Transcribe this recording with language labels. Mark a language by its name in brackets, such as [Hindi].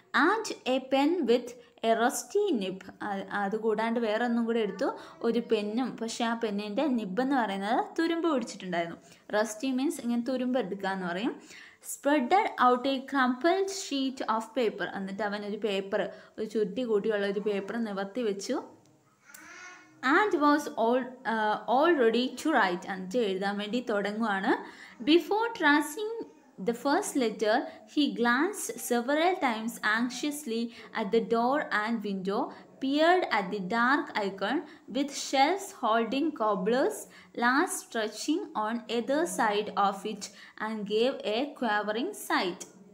[English] and a pen with a rusty nib, [Malayalam] അതുകൂടാണ്ട് വേറെ ഒന്നും കൂടെ എടുത്തു, ഒരു പെന്നും. പക്ഷേ ആ പെന്നിൻ്റെ നിബ് എന്ന് പറയുന്നത് തുരുമ്പ് പിടിച്ചിട്ടുണ്ടായിരുന്നു. റസ്റ്റി മീൻസ് ഇങ്ങനെ തുരുമ്പ് എടുക്കുക എന്ന് പറയും. [English] spreaded out a crumpled sheet of paper, [Malayalam] എന്നിട്ട് അവൻ ഒരു പേപ്പർ, ഒരു ചുരുട്ടി കൂട്ടിയുള്ള ഒരു പേപ്പർ നിവർത്തി വെച്ചു. [English] And was all ready to write. [Malayalam] അഞ്ച് എഴുതാൻ വേണ്ടി തുടങ്ങുകയാണ്. [English] Before tracing the first letter he glance several times anxiously at the door and window peered at the dark icon with shelves holding cobblers last stretching on either side of it and gave a quavering sight.